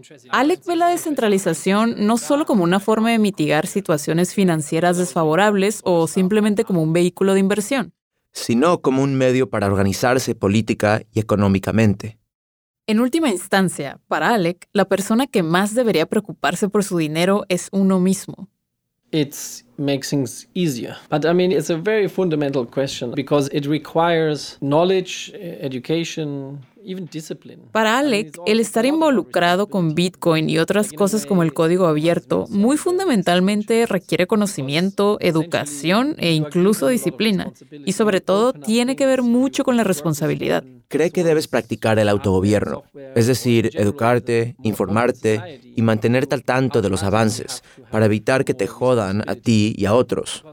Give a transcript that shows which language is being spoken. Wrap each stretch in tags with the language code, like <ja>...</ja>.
<es>Alec ve la descentralización no solo como una forma de mitigar situaciones financieras desfavorables o simplemente como un vehículo de inversión, sino como un medio para organizarse política y económicamente. En última instancia, para Alec, la persona que más debería preocuparse por su dinero es uno mismo.</es> <en>It's makes things easier. But I mean, it's a very fundamental question because it requires knowledge, education,</en> <es>Para Alec, el estar involucrado con Bitcoin y otras cosas como el código abierto, muy fundamentalmente requiere conocimiento, educación e incluso disciplina. Y sobre todo, tiene que ver mucho con la responsabilidad. Cree que debes practicar el autogobierno, es decir, educarte, informarte y mantenerte al tanto de los avances para evitar que te jodan a ti y a otros.</es>